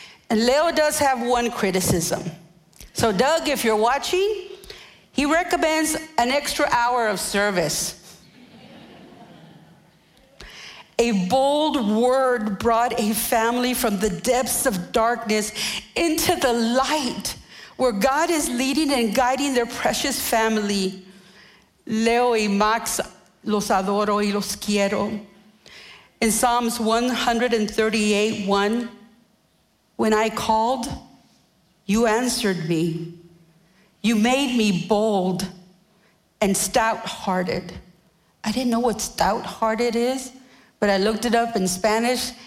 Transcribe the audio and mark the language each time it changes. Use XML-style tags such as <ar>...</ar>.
<en>And Leo does have one criticism. So Doug, if you're watching, he recommends an extra hour of service. A bold word brought a family from the depths of darkness into the light where God is leading and guiding their precious family.</en> <es>Leo y Max, los adoro y los quiero.</es> <en>In Psalms 138:1, when I called, you answered me. You made me bold and stout-hearted. I didn't know what stout-hearted is, but I looked it up in Spanish.</en>